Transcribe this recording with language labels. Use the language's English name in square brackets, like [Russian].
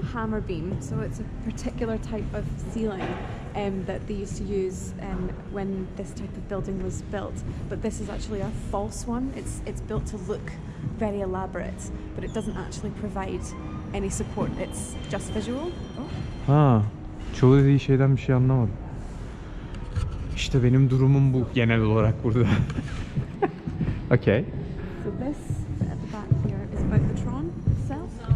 [English] Hammer beam. So it's a particular type of ceiling. that they used to use when this type of building was built. But this is actually a false one. It's built to look very elaborate, but it doesn't actually provide any support. It's just visual. Oh. [Turkish] Ha, çoğu dediği şeyden bir şey anlamadım. İşte benim durumum bu genel olarak burada. [English] Okay. So this at the back here is about the Tron itself.